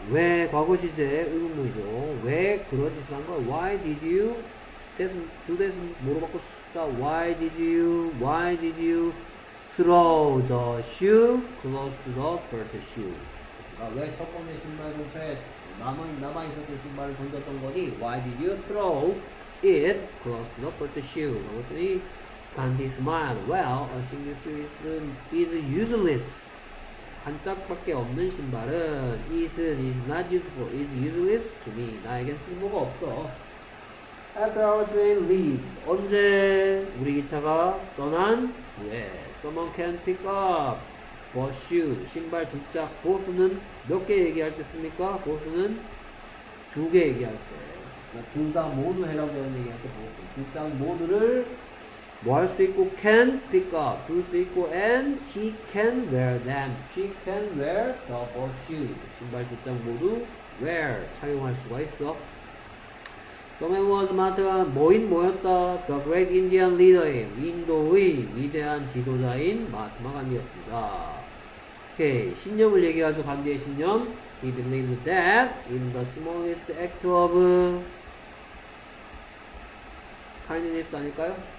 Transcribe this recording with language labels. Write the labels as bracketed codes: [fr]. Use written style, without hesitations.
[ko] 왜 과거 시제 의문문이죠. 왜 그런 짓을 한 거야? [en] Why did you do that? [ko] 뭐로 바꿨습니까? [en] Why did you throw the shoe close to the first shoe? [ko] 아, 왜첫 번째 신발 근처에 남아 있었던 신발을 던졌던 거니? [en] Why did you throw it close to the first shoe? [ko] 그랬더니 [en] Gandhi smiled. Well, a single shoe is useless. [ko] 한 짝밖에 없는 신발은 [en] is not useful, is useless to me. [ko] 나에겐 쓸모가 없어. [en] After our train leaves. [ko] 언제 우리 기차가 떠난 후에 [en] Someone can pick up both shoes. [ko] 신발 두 짝. Both는 몇개 얘기할 때 씁니까? Both는 두개 얘기할 때. 둘다 모두 해당되는 얘기할 때 Both. 두짝 모두를 뭐할수 있고 [en] can pick up [ko] 줄수 있고 [en] and he can wear them she can wear the shoes [ko] 신발 두짝 모두 wear 착용할 수가 있어 [en] Tommy was martyr, [ko] 뭐인 뭐였다? [en] The great Indian leader, [ko] 인도의 위대한 지도자인 마트마 간디였습니다. 오케이, 신념을 얘기하죠, 간디의 신념. [en] He believed that in the smallest act of kindness [ko] 아닐까요?